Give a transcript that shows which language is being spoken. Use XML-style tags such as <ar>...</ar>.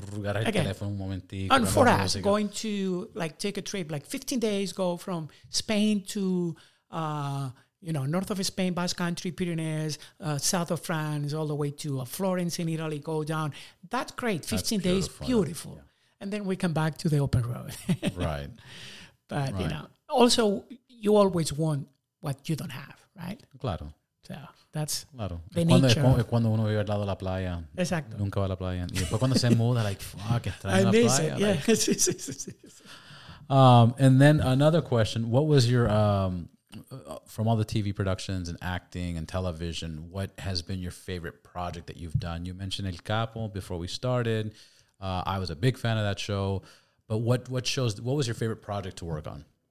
<en>And again, and for us, going to like take a trip, like 15 days, go from Spain to, you know, north of Spain, Basque Country, Pyrenees, south of France, all the way to Florence in Italy, go down. That's great. 15 days, beautiful. Yeah. And then we come back to the open road. Right. But, right, you know, also, you always want what you don't have, right?</en> <es>Claro.</es> <en>So that's</en> <es>claro,</es> <en>the nature.</en> <es>Cuando uno vive al lado de la playa. Exacto. Nunca va a la playa. Y después cuando se muda, like, fuck, extraño la playa.</es> <en>It. Yeah. Like, and then another question. What was your, from all the TV productions and acting and television, what has been your favorite project that you've done? You mentioned El Capo before we started. I was a big fan of that show. But what was your favorite project to work on?</en>